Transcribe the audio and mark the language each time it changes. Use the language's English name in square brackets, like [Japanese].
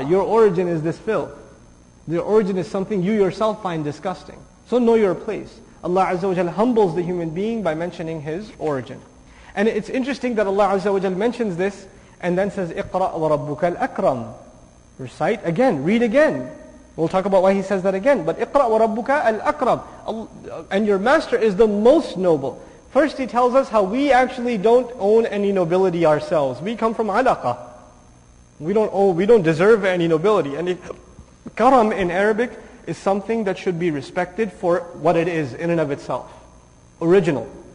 [English] Your origin is this filth. Your origin is something you yourself find disgusting. So know your place. Allah Azza wa Jal humbles the human being by mentioning his origin. And it's interesting that Allah Azza wa Jal mentions this and then says, [Arabic] إِقْرَأْ وَرَبُّكَ الْأَكْرَمُ. [English] Recite again, read again. We'll talk about why he says that again. [Arabic] But إِقْرَأْ وَرَبُّكَ الْأَكْرَمُ. [English] And your master is the most noble. First he tells us how we actually don't own any nobility ourselves. We come from alaqa. We don't deserve any nobility. And karam in Arabic is something that should be respected for what it is in and of itself. Original.